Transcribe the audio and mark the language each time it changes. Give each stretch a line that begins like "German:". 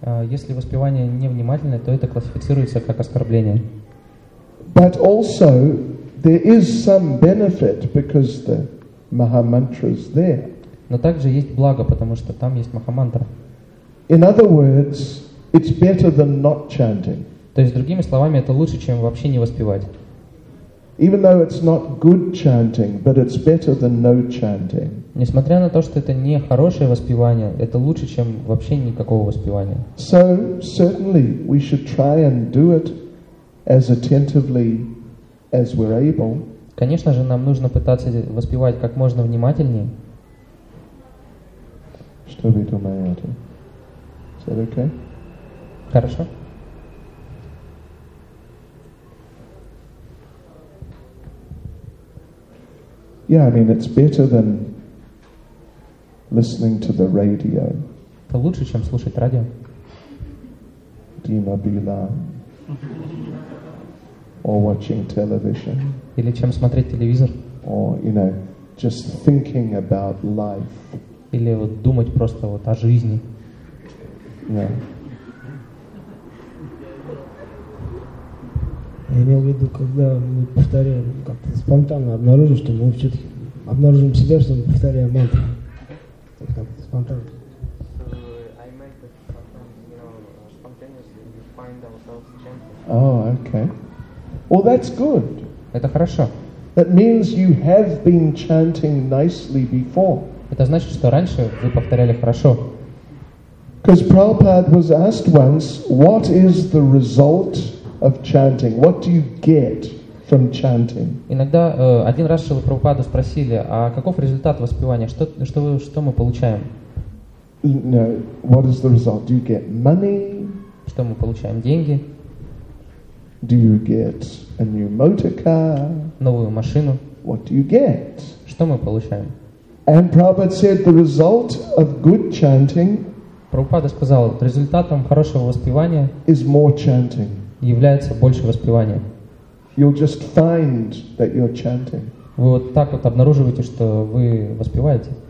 Russian: Если воспевание невнимательное, то это классифицируется как оскорбление.
English: But also there is some benefit because the Mahamantra is there.
Russian: Но также есть благо, потому что там есть Махамантра.
English: In other words, it's better than not chanting.
Russian: То есть другими словами, это лучше, чем вообще не воспевать.
English: Even though it's not good chanting, but it's better than no chanting.
Russian: Несмотря на то, что это не хорошее воспевание, это лучше, чем вообще никакого воспевания.
English: So certainly we should try and do it as attentively as we're able.
Russian: Конечно же, нам нужно пытаться воспевать как можно внимательнее. Что вы думаете?
English: Is that okay?
Russian: Хорошо.
English: Yeah, I mean, it's better than listening to the radio.
Russian: Это лучше, чем слушать радио. Дима Билан.
English: Or watching television.
Russian: Или чем смотреть телевизор.
English: Or, you know, just thinking about life.
Russian: Или вот думать просто вот о жизни.
English: Yeah.
Russian: Я имел в виду, когда мы повторяем, как-то спонтанно обнаружим, что мы все-таки обнаружим себя, что мы повторяем мантру. Как-то спонтанно.
English: So, I make that sometimes, you know, spontaneously we find ourselves chanting. Oh, okay. Well, that's good.
Russian: Это хорошо.
English: That means you have been chanting nicely before.
Russian: Это значит, что раньше вы повторяли хорошо.
English: Because Prabhupada was asked once, what is the result of chanting? What do you get from chanting?
Russian: Иногда один раз Шрила Прабхупаду спросили, а каков результат воспевания? Что мы получаем?
English: No, what is the result? Do you get money?
Russian: Что мы получаем? Деньги?
English: Do you get a new motor car?
Russian: Новую машину?
English: What do you get?
Russian: Что мы получаем?
English: And Prabhupada said the result of good chanting.
Russian: Прабхупада сказал, результатом хорошего воспевания
English: is more chanting.
Russian: Является больше воспевания.
English: You'll just find that you're chanting.
Russian: Вы вот так вот обнаруживаете, что вы воспеваете.